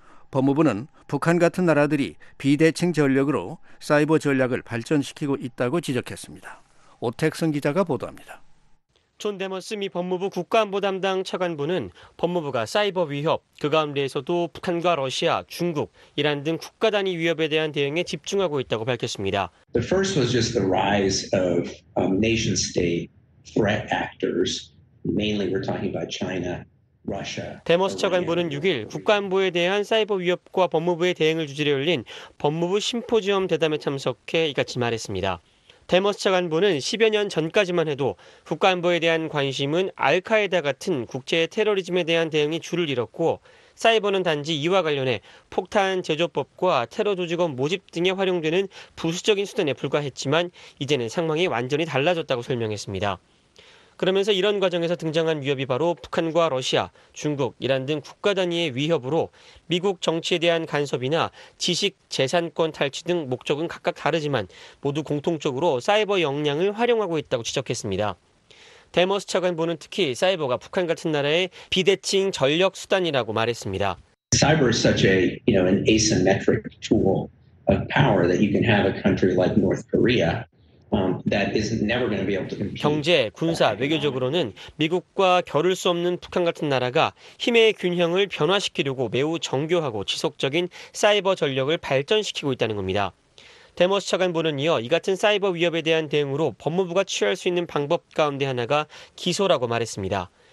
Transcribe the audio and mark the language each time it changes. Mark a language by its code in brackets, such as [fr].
[ko] 법무부는 북한 같은 나라들이 비대칭 전력으로 사이버 전략을 발전시키고 있다고 지적했습니다. 오택성 기자가 보도합니다. 존 데머스 미 법무부 국가안보 담당 차관보는 법무부가 사이버 위협, 그 가운데에서도 북한과 러시아, 중국, 이란 등 국가 단위 위협에 대한 대응에 집중하고 있다고 밝혔습니다. [en] The first was just the rise of nation-state threat actors. Mainly we're talking about China. [ko] 데머스 차관보는 6일 국가안보에 대한 사이버 위협과 법무부의 대응을 주제로 열린 법무부 심포지엄 대담에 참석해 이같이 말했습니다. 데머스 차관보는 10여 년 전까지만 해도 국가안보에 대한 관심은 알카에다 같은 국제 테러리즘에 대한 대응이 주를 이뤘고 사이버는 단지 이와 관련해 폭탄 제조법과 테러 조직원 모집 등에 활용되는 부수적인 수단에 불과했지만 이제는 상황이 완전히 달라졌다고 설명했습니다. 그러면서 이런 과정에서 등장한 위협이 바로 북한과 러시아, 중국, 이란 등 국가 단위의 위협으로 미국 정치에 대한 간섭이나 지식, 재산권 탈취 등 목적은 각각 다르지만 모두 공통적으로 사이버 역량을 활용하고 있다고 지적했습니다. 데머스 차관보는 특히 사이버가 북한 같은 나라의 비대칭 전력 수단이라고 말했습니다. [en] Cyber is such a, you know, an asymmetric tool of power that you can have a country like North Korea. That is never going to be able to compete. [ko] 경제, 군사, 외교적으로는 미국과 겨룰 수 없는 북한 같은 나라가 힘의 균형을 변화시키려고 매우 정교하고 지속적인 사이버 전력을 발전시키고 있다는 겁니다. 데머스 차관보는 이어 이 같은 사이버 위협에 대한 대응으로 법무부가 취할 수 있는 방법 가운데 하나가 기소라고 말했습니다.